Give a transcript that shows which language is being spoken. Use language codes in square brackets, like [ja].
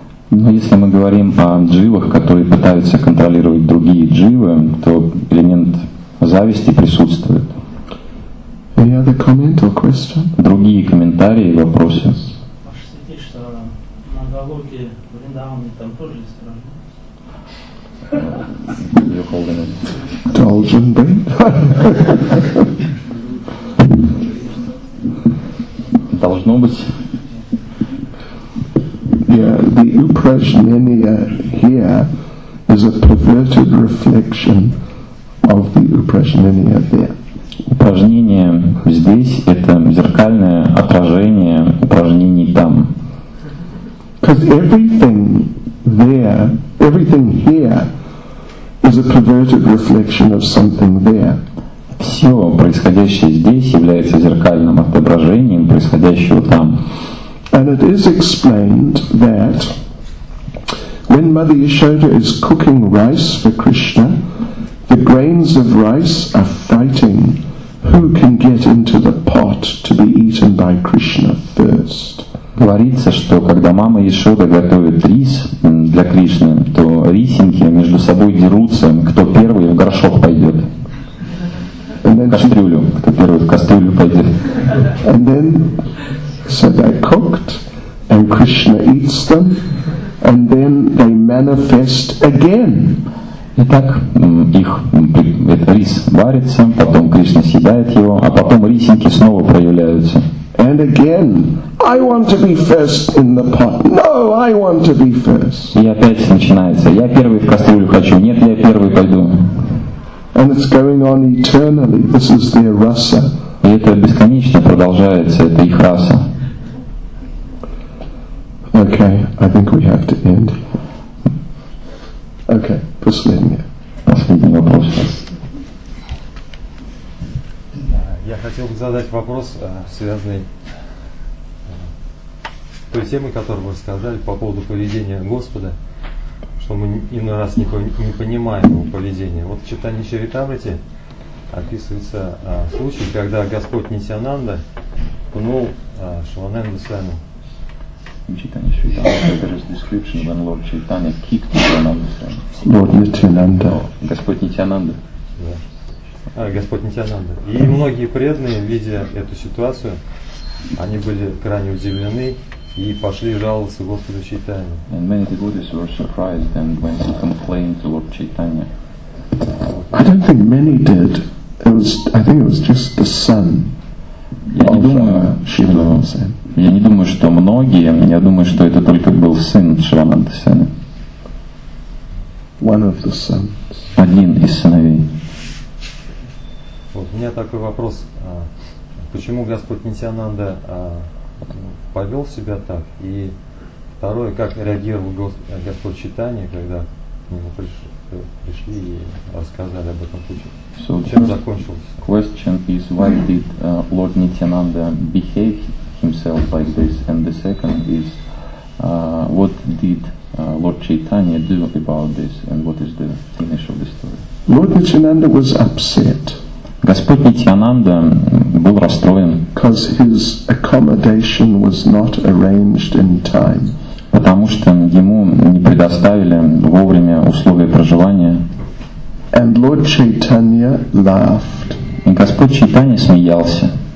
[ru] Но если мы говорим о дживах, которые пытаются контролировать другие дживы, то элемент зависти присутствует. [en] Any other comment or question? [ru] Другие комментарии и вопросы? Можете сказать, что на Галоке Вриндаване там тоже есть проблемы? [en] You're holding it. [ru] Должен быть. Должно быть. [en] Yeah, the Uprajnaniya here is a perverted reflection of the Uprajnaniya there. [ru] Упражнение здесь – это зеркальное отражение упражнений там. [en] Because everything there, everything here is a perverted reflection of something there. [ru] Все происходящее здесь является зеркальным отображением происходящего там. [en] And it is explained that when Mother Yashoda is cooking rice for Krishna, the grains of rice are fighting who can get into the pot to be eaten by Krishna first. [ru] Говорится, что когда мама Яшода готовит рис для Кришны, то рисинки между собой дерутся, кто первый в горшок пойдет. Кастрюлю, кто первый в кастрюлю пойдет. [en] And then, so they cooked, and Krishna eats them, and then they manifest again. [ru] Итак, их рис варится, потом Кришна съедает его, а потом рисинки снова проявляются. [en] And again, I want to be first in the pot. No, I want to be first. [ru] И опять начинается. Я первый в кастрюлю хочу. Нет, я первый пойду. [en] And it's going on eternally. This is their rasa. [ru] И это бесконечно продолжается. Это их раса. [en] Okay, I think we have to end. Okay, [ru] последний. Последний вопрос. Я хотел бы задать вопрос, связанный с той темой, которую вы сказали по поводу поведения Господа, что мы иной раз не понимаем его поведение. Вот в Чайтанья Чаритамрите описывается случай, когда Господь Нитьянанда пнул Шивананду Свами. [en] Chaitanya Shritamrita, there is description when Lord Chaitanya kicked Nityananda's friend. Lord Nityananda. [ru] Господь Нитьянанда. Господь Нитьянанда. И многие преданные, видя эту ситуацию, они были крайне удивлены и пошли жаловаться Господу Чайтане. [en] And many devotees were surprised and went to complain to Lord Chaitanya. I don't think many did. I think it was just the son. [ru] Я не думаю, что многие. Я думаю, что это только был сын Шивананда Сены. [en] One of the sons. [ru] Один из сыновей. Вот у меня такой вопрос. Почему Господь Нитьянанда повел себя так? И второе, как реагировал Господь Чайтанья, когда к нему пришли и рассказали об этом пути? [en] So [ru] чем закончилось? [en] Question is, why did Lord Nityananda behave himself like this? And the second is, what did Lord Chaitanya do about this? And what is the finish of the story? Lord Nityananda was upset. [ru] Господь Нитьянанда был расстроен. [en] Because his accommodation was not arranged in time. [ru] Потому что ему не предоставили вовремя условия проживания. [en] And Lord Chaitanya laughed. [ru] И Господь Чайтанья смеялся.